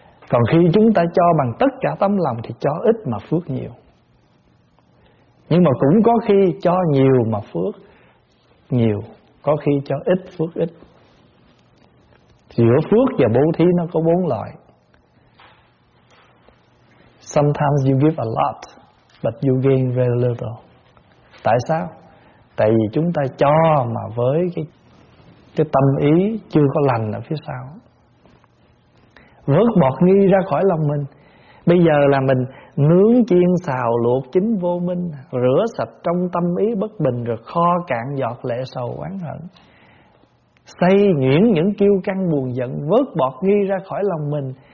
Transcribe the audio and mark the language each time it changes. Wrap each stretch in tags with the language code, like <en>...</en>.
<vi>Còn khi chúng ta cho bằng tất cả tấm lòng thì cho ít mà phước nhiều. Nhưng mà cũng có khi cho nhiều mà phước nhiều, có khi cho ít phước ít. Giữa phước và bố thí nó có bốn loại.</vi> <en>Sometimes you give a lot, but you gain very little.</en> <vi>Tại sao? Tại vì chúng ta cho mà với cái tâm ý chưa có lành ở phía sau. Vớt bọt nghi ra khỏi lòng mình. Bây giờ là mình nướng chiên xào luộc chín vô minh, rửa sạch trong tâm ý bất bình, rồi kho cạn giọt lệ sầu oán hận, xây nhuyễn những kiêu căng buồn giận, vớt bọt nghi ra khỏi lòng mình.</vi>